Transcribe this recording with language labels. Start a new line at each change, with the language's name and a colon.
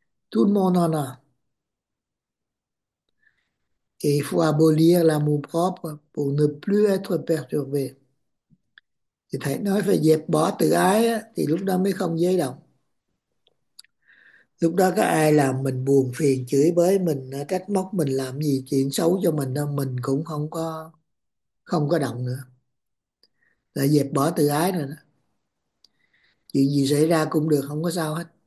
French: Tout le monde en a. Et il faut abolir l'amour propre pour ne plus être perturbé.
Vietnamese: Thì thầy nói phải dẹp bỏ tự ái á, thì lúc đó mới không giới động. Lúc đó có ai làm mình buồn phiền, chửi bới mình, trách móc mình, làm gì chuyện xấu cho mình đâu, mình cũng không có động nữa. Là dẹp bỏ tự ái rồi đó. Chuyện gì xảy ra cũng được, không có sao hết.